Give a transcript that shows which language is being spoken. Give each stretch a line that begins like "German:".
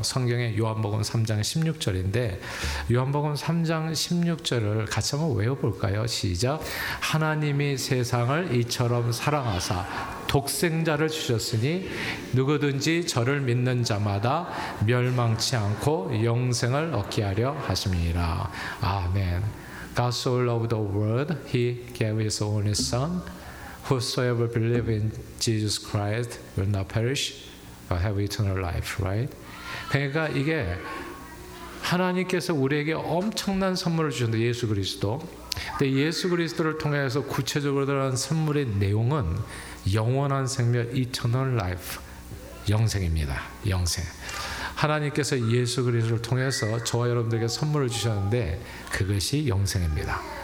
Korean: 성경의 요한복음 3장 16절인데 요한복음 3장 16절을 같이 한번 외워볼까요? 시작. 하나님이 세상을 이처럼 사랑하사 독생자를 주셨으니 누구든지 저를 믿는 자마다 멸망치 않고 영생을 얻게 하려 하심이라. 아멘.
English: God so loved the world, He gave His only Son. Whosoever believes in Jesus Christ will not perish, but have eternal life, right?
Korean: 그러니까 이게 하나님께서 우리에게 엄청난 선물을 주셨는데 예수 그리스도. 근데 예수 그리스도를 통해서 구체적으로 드러난 선물의 내용은 영원한 생명, eternal life, 영생입니다. 영생. 하나님께서 예수 그리스도를 통해서 저와 여러분들에게 선물을 주셨는데 그것이 영생입니다.